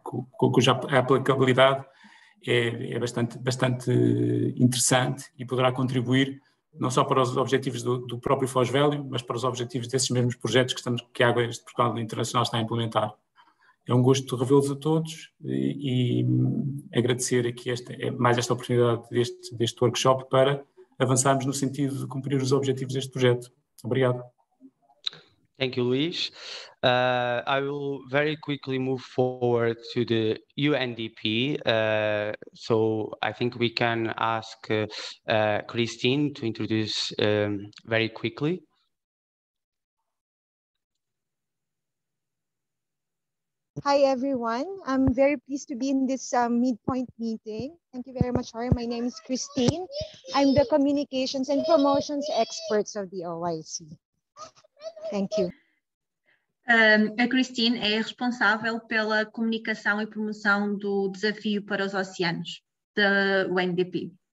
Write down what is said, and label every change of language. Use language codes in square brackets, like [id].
[pt] cuja aplicabilidade é bastante, bastante interessante e poderá contribuir não só para os objetivos do próprio Foz Velho, mas para os objetivos desses mesmos projetos que a Águas de Portugal Internacional está a implementar. É um gosto revê-los a todos e agradecer aqui esta oportunidade deste workshop para avançarmos no sentido de cumprir os objetivos deste projeto. Obrigado. [en] Thank you, Luís. I will very quickly move forward to the UNDP. So I think we can ask Christine to introduce very quickly. Hi, everyone. I'm very pleased to be in this midpoint meeting. Thank you very much, Harry. My name is Christine. I'm the communications and promotions experts of the OIC. Thank you. [pt] A Christine é responsável pela comunicação e promoção do desafio para os oceanos da UNDP.